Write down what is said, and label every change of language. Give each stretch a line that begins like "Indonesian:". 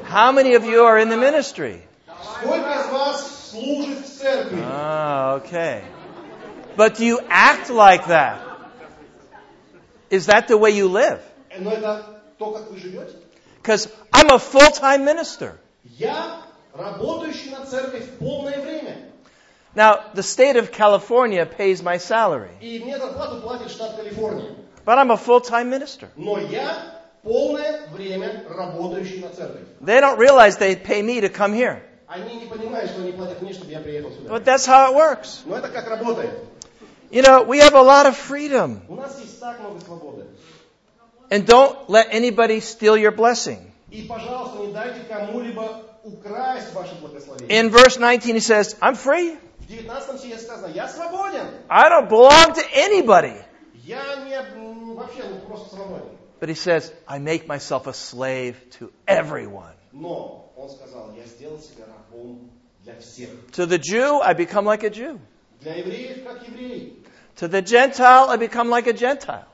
English: How many of you are in the ministry?
Russian: Сколько из вас служит в церкви?
English: Okay. But do you act like that? Is that the way you live?
Russian: Но это то, как вы живете?
English: Because I'm a full-time minister.
Russian: Я работающий на церкви в полное время.
English: Now, the state of California pays my salary.
Russian: И мне зарплату платит штат Калифорния.
English: But I'm a full-time minister.
Russian: Но я полное время работающий на церкви.
English: They don't realize they pay me to come here.
Russian: Они не понимают, что они платят мне, чтобы я приехал сюда.
English: But that's how it works.
Russian: Но это как работает.
English: You know, we have a lot of freedom.
Russian: У нас есть так много свободы.
English: And don't let anybody steal your blessing.
Russian: И, пожалуйста, не дайте кому-либо украсть ваше благословение.
English: In verse 19 he says, I'm free.
Russian: В 19 стихе сказано, я свободен.
English: I don't belong to anybody.
Russian: Я не вообще, ну, просто свободен.
English: But he says, I make myself a slave to everyone.
Russian: Но он сказал, я сделал себя рабом для всех.
English: To the Jew, I become like a Jew.
Russian: Для евреев, как еврей.
English: To the Gentile, I become like a Gentile.